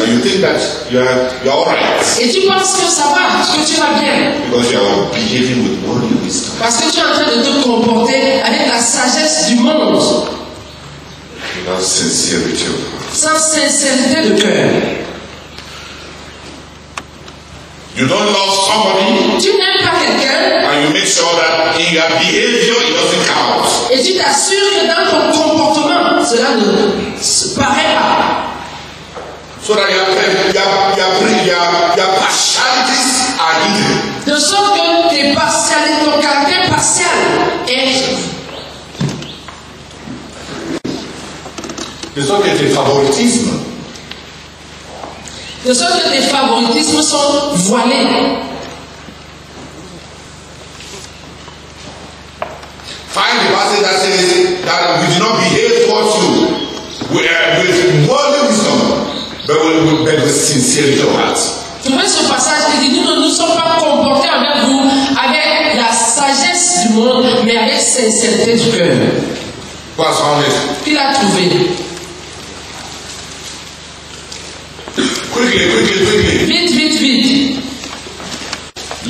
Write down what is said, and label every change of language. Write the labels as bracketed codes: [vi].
[en] And you think that you are all right. [fr] Et tu penses que ça va, que tu vas bien. [en] Because you are behaving with worldly wisdom. [fr] Parce que tu es en train de te comporter avec la sagesse du monde. [en] Without sincerity of heart. [fr] Sans sincérité de cœur. [en] You don't love somebody. [fr] Tu n'aimes pas quelqu'un. [en] And you make sure that in your behavior it doesn't count. [fr] Et tu t'assures que dans ton comportement, cela ne paraît pas. [en] So that your partialities are hidden. [fr] De sorte que tes partialités, ton caractère partial est. It's sorte que tes favoritismes. De sorte que tes favoritismes sont voilés. [en] Find the passage that says that we do not behave towards you with worldly wisdom, but with sincerity of heart. [fr] Tu vois ce passage qui dit nous ne nous sommes pas comportés envers vous avec la sagesse du monde, mais avec sincérité du cœur. Quoi, ça en est? Qui l'a trouvé? [en] Quickly, quickly, quickly. [fr] Vite, vite, vite.